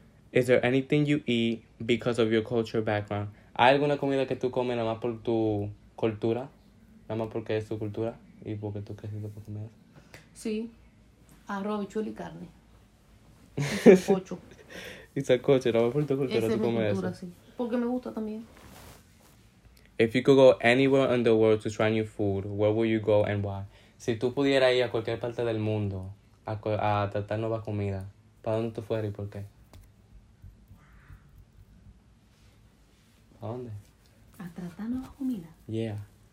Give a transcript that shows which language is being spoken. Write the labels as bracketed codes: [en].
[en] Is there anything you eat because of your culture background? [es] ¿Hay alguna comida que tú comes nada más por tu cultura? ¿Nada más porque es tu cultura? ¿Y porque tú creciste por comer? Sí. Arroz, habichuela y carne. Y sancocho. Y sancocho, nada más por tu cultura. Esa es mi cultura, eso. Sí. Porque me gusta también. [en] If you could go anywhere in the world to try new food, where would you go and why? [es] Si tú pudieras ir a cualquier parte del mundo a tratar nueva comida, ¿para dónde tú fueras y por qué? ¿A dónde? A tratar nueva comida. [en] Yeah.